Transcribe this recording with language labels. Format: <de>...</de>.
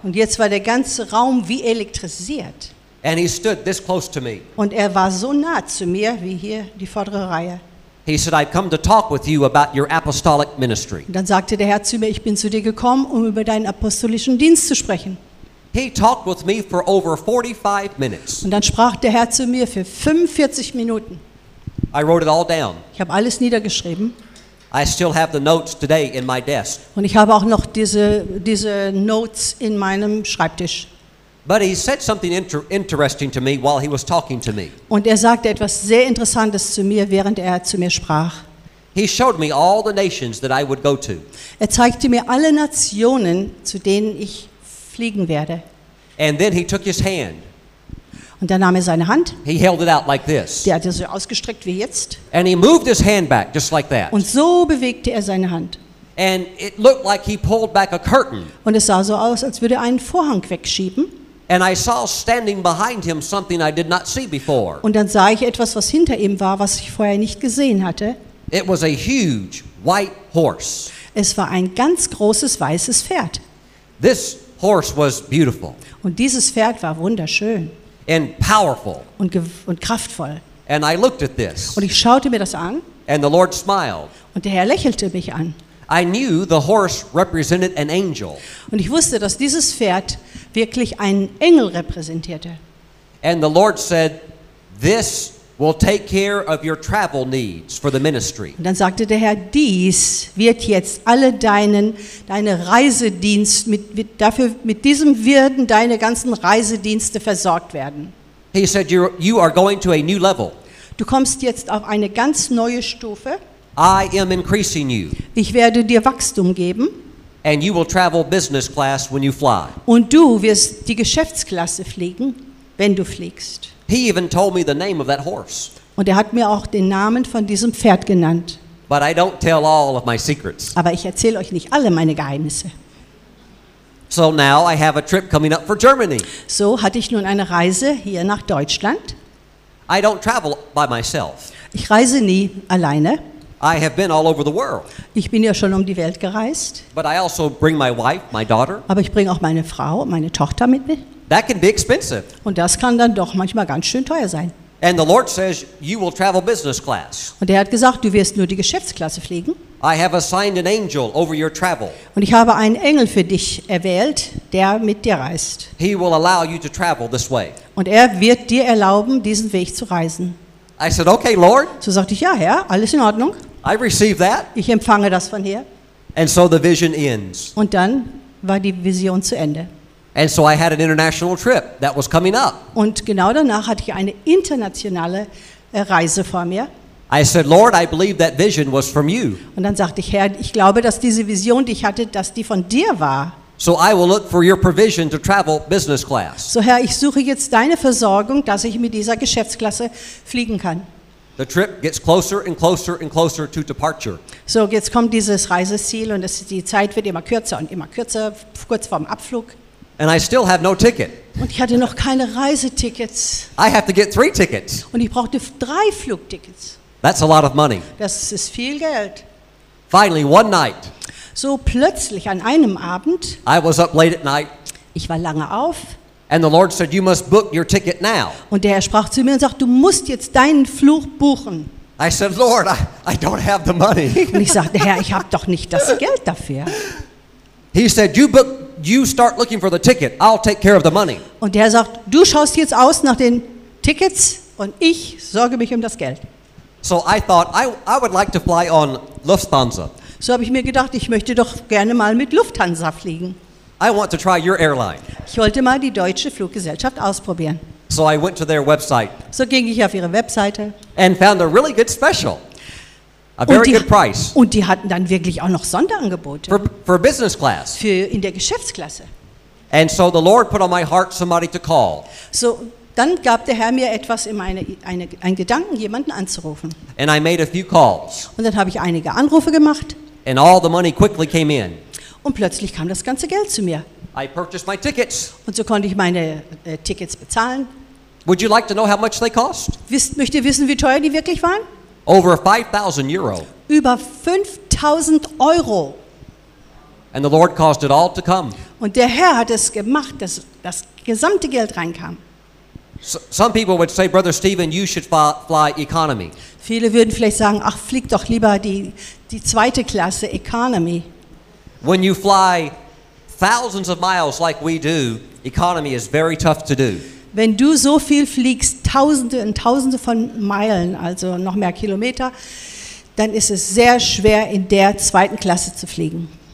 <de>Und jetzt war der ganze Raum wie elektrisiert.</de> <en>And he stood this close to me.</en> <de>Und er war so nah zu mir wie hier die vordere Reihe.</de> <en>He said, "I've come to talk with you about your apostolic ministry."</en> <de>Dann sagte der Herr zu mir, ich bin zu dir gekommen, um über deinen apostolischen Dienst zu sprechen.</de> <en>He talked with me for over 45 minutes.</en> <de>Und dann sprach der Herr zu mir für 45 Minuten.</de> <en>I wrote it all down.</en> <de>Ich habe alles niedergeschrieben.</de> <en>I still have the notes today in my desk.</en> <de>Und ich habe auch noch diese Notes in meinem Schreibtisch.</de> <en>But he said something interesting to me while he was talking to me.</en> <de>Und er sagte etwas sehr Interessantes zu mir, während er zu mir sprach.</de> <en>He showed me all the nations that I would go to.</en> <de>Er zeigte mir alle Nationen, zu denen ich fliegen werde.</de> <en>And then he took his hand.</en> <de>Und dann nahm er seine Hand.</de> <en>He held it out like this.</en> <de>Der hat es so ausgestreckt wie jetzt.</de> <en>And he moved his hand back just like that.</en> <de>Und so bewegte er seine Hand.</de> <en>And it looked like he pulled back a curtain.</en> <de>Und es sah so aus, als würde er einen Vorhang wegschieben.</de> <en>And I saw standing behind him something I did not see before.</en> <de>Und dann sah ich etwas, was hinter ihm war, was ich vorher nicht gesehen hatte.</de> <en>It was a huge white horse.</en> <de>Es war ein ganz großes weißes Pferd.</de> <en>This horse was beautiful.</en> <de>Und dieses Pferd war wunderschön.</de> <en>And powerful.</en> <de>Und kraftvoll.</de> <en>And I looked at this.</en> <de>Und ich schaute mir das an.</de> <en>And the Lord smiled.</en> <de>Und der Herr lächelte mich an.</de> <en>I knew the horse represented an angel.</en> <de>Und ich wusste, dass dieses Pferd wirklich einen Engel repräsentierte.</de> <en>And the Lord said, "This will take care of your travel needs for the ministry."</en> <de>Und dann sagte der Herr, dies wird jetzt alle deine Reisedienst mit diesem werden deine ganzen Reisedienste versorgt werden.</de> <en>He said, "You are going to a new level."</en> <de>Du kommst jetzt auf eine ganz neue Stufe.</de> <en>I am increasing you.</en> <de>Ich werde dir Wachstum geben.</de> <en>And you will travel business class when you fly.</en> <de>Und du wirst die Geschäftsklasse fliegen, wenn du fliegst.</de> <en>He even told me the name of that horse.</en> <de>Und hat mir auch den Namen von diesem Pferd genannt.</de> <en>But I don't tell all of my secrets.</en> <de>Aber ich erzähle euch nicht alle meine Geheimnisse.</de> <en>So now I have a trip coming up for Germany.</en> <de>So hatte ich nun eine Reise hier nach Deutschland.</de> <en>I don't travel by myself.</en> <de>Ich reise nie alleine.</de> <en>I have been all over the world.</en> <de>Ich bin ja schon die Welt gereist.</de> <en>But I also bring my wife, my daughter.</en> <de>Aber ich bringe auch meine Frau, meine Tochter mit mir.</de> <en>That can be expensive.</en> <de>Und das kann dann doch manchmal ganz schön teuer sein.</de> <en>And the Lord says you will travel business class.</en> <de>Und der hat gesagt, du wirst nur die Geschäftsklasse fliegen.</de> <en>I have assigned an angel over your travel.</en> <de>Und ich habe einen Engel für dich erwählt, der mit dir reist.</de> <en>He will allow you to travel this way.</en> <de>Und wird dir erlauben, diesen Weg zu reisen.</de> <en>I said, "Okay, Lord."</en> <de>So sagte ich, ja, Herr, alles in Ordnung.</de> <en>I receive that.</en> <de>Ich empfange das von hier.</de> <en>And so the vision ends.</en> <de>Und dann war die Vision zu Ende.</de> <en>And so I had an international trip that was coming up.</en> <de>Und genau danach hatte ich eine internationale Reise vor mir.</de> <en>I said, "Lord, I believe that vision was from you."</en> <de>Und dann sagte ich, Herr, ich glaube, dass diese Vision, die ich hatte, dass die von dir war.</de> <en>So I will look for your provision to travel business class.</en> <de>So Herr, ich suche jetzt deine Versorgung, dass ich mit dieser Geschäftsklasse fliegen kann.</de> <en>The trip gets closer and closer and closer to departure.</en> <de>So jetzt kommt dieses Reiseziel und die Zeit wird immer kürzer und immer kürzer, kurz vorm Abflug.</de> <en>And I still have no ticket.</en> <de>Und ich hatte noch keine Reisetickets.</de> <en>I have to get 3 tickets.</en> <de>Und ich brauchte 3 Flugtickets.</de> <en>That's a lot of money.</en> <de>Das ist viel Geld.</de> <en>Finally, one night.</en> <de>So plötzlich an einem Abend.</de> <en>I was up late at night.</en> <de>Ich war lange auf.</de> <en>And the Lord said, "You must book your ticket now."</en> <de>Und der Herr sprach zu mir und sagt, du musst jetzt deinen Flug buchen.</de> <en>I said, "Lord, I don't have the money."</en> <de>Und ich sagte, Herr, ich habe doch nicht das Geld dafür.</de> <en>He said, "You start looking for the ticket. I'll take care of the money."</en> <de>Und der sagt, du schaust jetzt aus nach den Tickets und ich sorge mich das Geld.</de> <en>So I thought, I would like to fly on Lufthansa.</en> <de>So habe ich mir gedacht, ich möchte doch gerne mal mit Lufthansa fliegen.</de> <en>I want to try your airline.</en> <de>Ich wollte mal die deutsche Fluggesellschaft ausprobieren.</de> <en>So I went to their website.</en> <de>So ging ich auf ihre Webseite.</de> <en>And found a really good special. A very good price.</en> <de>Und die hatten dann wirklich auch noch Sonderangebote.</de> <en>For business class.</en> <de>Für in der Geschäftsklasse.</de> <en>And so the Lord put on my heart somebody to call.</en> <de>So dann gab der Herr mir etwas in einen Gedanken, jemanden anzurufen.</de> <en>And I made a few calls.</en> <de>Und dann habe ich einige Anrufe gemacht.</de> <en>And all the money quickly came in.</en> <de>Und plötzlich kam das ganze Geld zu mir.</de> <en>I purchased my tickets.</en> <de>Und so konnte ich meine Tickets bezahlen.</de> <en>Would you like to know how much they cost?</en> <de>Möchtet ihr wissen, wie teuer die wirklich waren?</de> <en>Over 5,000 Euro.</en> <de>Über 5,000 Euro.</de> <en>And the Lord caused it all to come.</en> <de>Und der Herr hat es gemacht, dass das gesamte Geld reinkam.</de> <en>Some people would say, "Brother Stephen, you should fly economy."</en> <de>Viele würden vielleicht sagen, ach, flieg doch lieber die zweite Klasse, economy.</de> <en>When you fly thousands of miles like we do, economy is very tough to do.</en> <de>Wenn du so viel fliegst, tausende und tausende von Meilen, also noch mehr Kilometer, dann ist es sehr schwer, in der zweiten Klasse zu fliegen.</de>